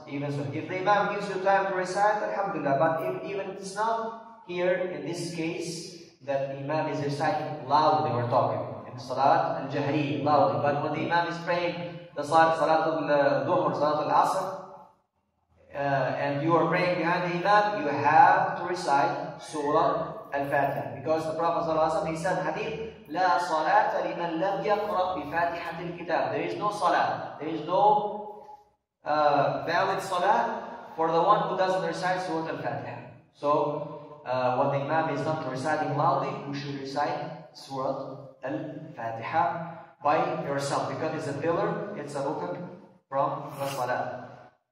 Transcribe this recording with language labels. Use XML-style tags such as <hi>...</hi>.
<en>Even so, if the Imam gives you time to recite, alhamdulillah. But if even it's not here in this case that the Imam is reciting loudly, we're talking in Salat al-Jahri, loudly. But when the Imam is praying the Salat al-Dhuhr, Salat al-Asr, and you are praying behind the Imam, you have to recite Surah al-Fatiha. Because the Prophet ﷺ, he said hadith,</en> <ar>لا صلاة لمن لم يقرأ بفاتحة الكتاب.</ar> <en>There is no salah. There is no valid salah for the one who doesn't recite Surah Al-Fatiha. So, when the Imam is not reciting loudly, you should recite Surah Al-Fatiha by yourself, because it's a pillar, it's a rukn from the salah.</en>